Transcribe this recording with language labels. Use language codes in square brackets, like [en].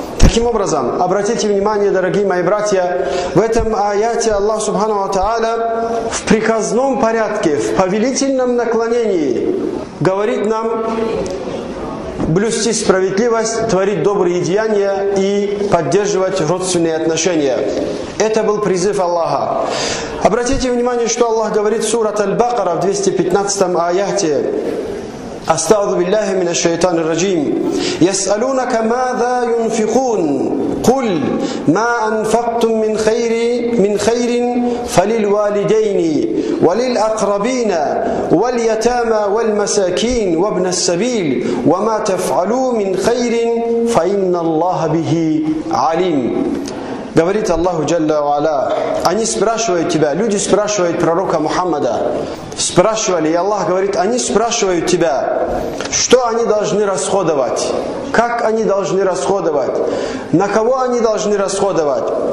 [ru] Таким образом, обратите внимание, дорогие мои братья, в этом аяте Аллах Субхану ва Тааля в приказном порядке, в повелительном наклонении говорит нам блюсти справедливость, творить добрые деяния и поддерживать родственные отношения. Это был призыв Аллаха. Обратите внимание, что Аллах говорит в сурат Аль-Бакара в 215 аяте. [ar] أستغفر الله من الشيطان الرجيم يسألونك ماذا ينفقون قل ما أنفقتم من خير فللوالدين وللأقربين واليتامى والمساكين وابن السبيل وما تفعلوا من خير فإن الله به عليم. [ru] Говорит Аллаху Джалла Уаля, они спрашивают тебя, люди спрашивают пророка Мухаммада, спрашивали, и Аллах говорит, они спрашивают тебя, что они должны расходовать, как они должны расходовать, на кого они должны расходовать.